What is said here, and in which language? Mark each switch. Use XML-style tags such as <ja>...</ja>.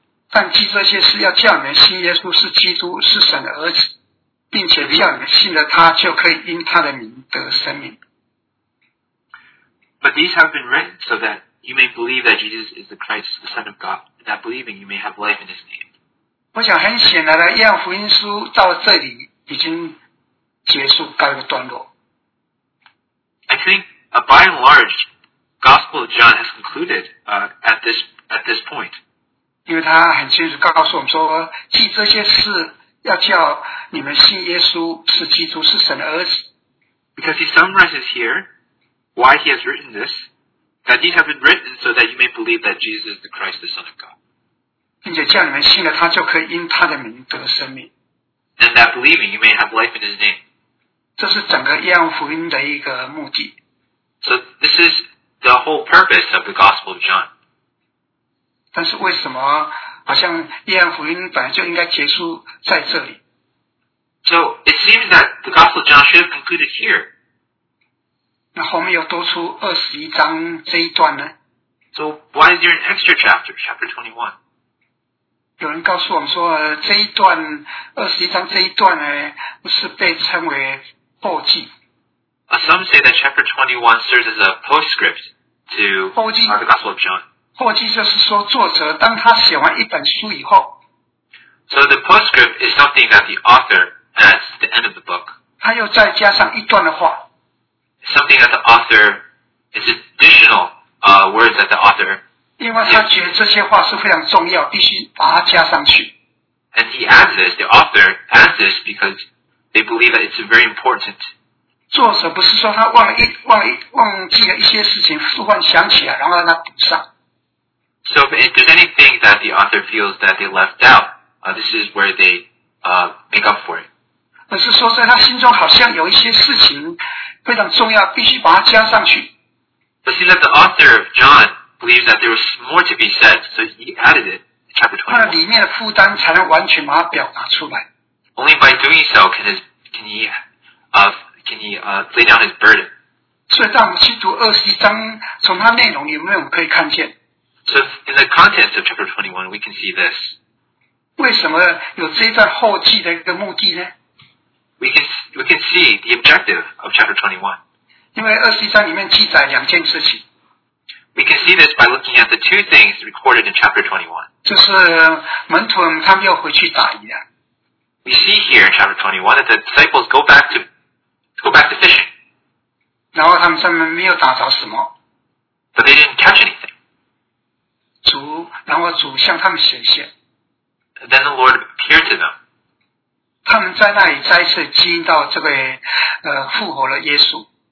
<zh>但记这些事要叫你们信耶稣是基督，是神的儿子，并且叫你们信了他，就可以因他的名得生命。</zh> <en>But these have been written so that you may believe that Jesus is the Christ, the Son of God, and that believing you may have life in his name.</en> <zh>我想很显然的，约翰福音书到这里已经结束，告一个段落。</zh> <en>I think, by and large, Gospel of John has concluded at this point.</en> <zh>因为他很清楚告诉我们说，记这些事要叫你们信耶稣是基督，是神的儿子。</zh> <en>Because he summarizes here why he has written this, that these have been written so that you may believe that Jesus is the Christ, the Son of God.</en> <zh>并且叫你们信了他，就可以因他的名得生命。</zh> <en>And that believing, you may have life in his name.</en> <zh>这是整个约翰福音的一个目的。</zh> <en>So this is the whole purpose of the Gospel of John.</en> <zh>但是为什么好像约翰福音本来就应该结束在这里？</zh> <en>So it seems that the Gospel of John should have concluded here.</en> <zh>那后面又多出二十一章这一段呢？</zh> <en>So why is there an extra chapter, chapter 21?</en> <zh>有人告诉我们说，这一段二十一章这一段呢，是被称为后记。</zh> <en>Some say that chapter 21 serves as a postscript to the Gospel of John.</en> <zh>后记就是说，作者当他写完一本书以后。</zh> <en>So the postscript is something that the author adds at the end of the book.</en> <zh>他又再加上一段的话。</zh> <en>Something that the author is additional words that the author.</en> <zh>因为他觉得这些话是非常重要，必须把它加上去。</zh> <en>And he adds this, the author adds this because they believe that it's very important.</en> <zh>作者不是说他忘记了一些事情，突然想起来，然后让他补上。</zh> <en>So if there's anything that the author feels that they left out, this is where they make up for it.</en> <zh>而是说在他心中好像有一些事情非常重要，必须把它加上去。</zh> <en>But see that the author of John. Believes that there was more to be said, so he added it in chapter 21.</en> <zh>他里面的负担才能完全把它表达出来。</zh> <en>Only by doing so can he lay down his burden.</en> <zh>所以当我们去读二十一章，从它内容里面我们可以看见。</zh> <en>So in the contents of chapter 21, we can see this.</en> <zh>为什么有这段后记的一个目的呢？</zh> <en>We can see the objective of chapter 21.</en> <zh>因为二十一章里面记载两件事情。</zh> <en>We can see this by looking at the two things recorded in chapter 21.</en> <zh>就是门徒他们又回去打鱼了。</zh> <en>We see here in chapter 21 that the disciples go back to fishing.</en> <zh>然后他们上面没有打着什么。</zh> <en>But they didn't catch anything.</en> <zh>主，然后主向他们显现。</zh> <en>Then the Lord appeared to them.</en> <zh>他们在那里再一次经历到这个复活了耶稣。</zh>